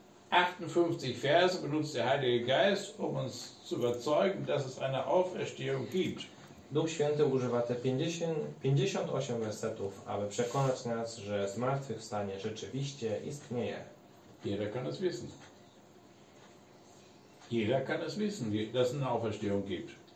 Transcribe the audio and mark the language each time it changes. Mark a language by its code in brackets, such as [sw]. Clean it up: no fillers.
[de] 58 Verse benutzt der Heilige Geist, um uns zu überzeugen, dass es eine Auferstehung gibt. [pl] Duch Święty używa te 58 wersetów, aby przekonać nas, że zmartwychwstanie rzeczywiście istnieje. [de] Jeder kann es wissen. Jeder kann es wissen, dass es eine Auferstehung gibt.